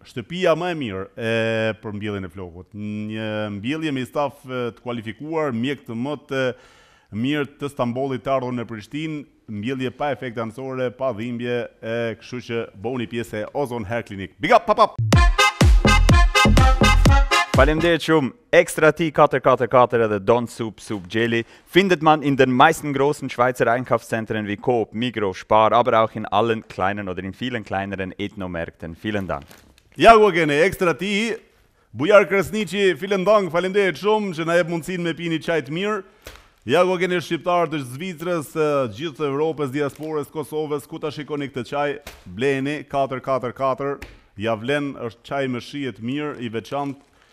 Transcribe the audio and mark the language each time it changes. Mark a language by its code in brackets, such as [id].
[sq] Shtëpia më e mirë për mbjelljen e flokut. Një mbjellje me staf të kualifikuar, mjek të më të mirë të Stambollit të ardhur në Prishtinë, mbjellje pa efekte anësore, pa dhimbje, kështu që bëhuni pjesë e Ozone Hair Clinic. [en] Big up, pap, pap! [sq] Faleminderit shumë, Extra T 444 edhe Don Soup Soup [de] Jelly findet man in den meisten großen Schweizer Einkaufszentren wie Coop, Migros, Spar, aber auch in allen kleinen oder in vielen kleineren Ethnomärkten. Vielen Dank. [sq] Ja, u gjeni Extra T, Bujar Kresniqi, [de] vielen Dank, [sq] faleminderit shumë që na jep mundësinë me pini çaj të mirë. Ja, u gjeni shqiptarë të Zvicrës, gjithë Evropës, diasporës, Kosovës, ku ta shikoni këtë çaj, bleni 444, ja vlen, është çaj me shije të mirë, i veçantë.